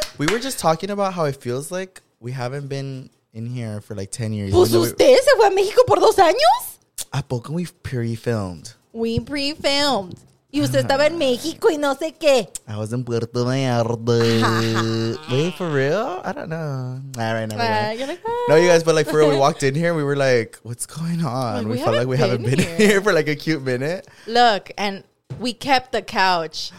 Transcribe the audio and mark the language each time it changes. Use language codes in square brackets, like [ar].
[en] We were just talking about how it feels like we haven't been in here for like 10 years. [es] ¿Pues usted se fue a México por dos años? ¿A poco [en] we pre-filmed? We pre-filmed. [es] Y usted estaba en México y no sé qué. [en] I was in Puerto Vallarta. Wait, for real? I don't know. All right, never mind. No, you guys, but like for real, we walked in here and we were like, what's going on? Like, we felt like we haven't been here for like a cute minute. Look, and we kept the couch.